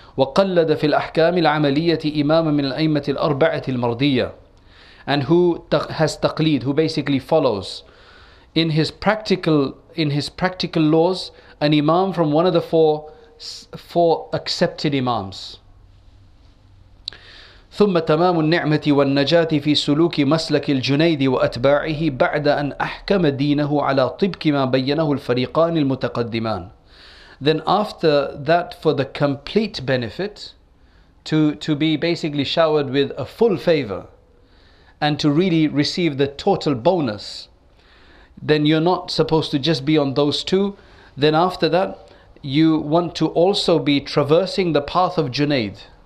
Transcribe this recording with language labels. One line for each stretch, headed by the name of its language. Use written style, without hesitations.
Arabic: وَقَلَّدَ فِي الْأَحْكَامِ الْعَمَلِيَّةِ إِمَامًا مِنْ الْأَيْمَةِ الْأَرْبَعَةِ الْمَرْضِيَّةِ.
English: And who has taqlid, who basically follows in his practical, in his practical laws, an imam from one of the four accepted imams.
Arabic: ثم تمام النعمة والنجاة في سلوك مسلك الجنيد وأتباعه بعد أن أحكم دينه على طبق ما بينه الفريقان المتقدمان.
English: Then after that, for the complete benefit, to be basically showered with a full favor, and to really receive the total bonus, then you're not supposed to just be on those two. Then after that, you want to also be traversing the path of Junaid.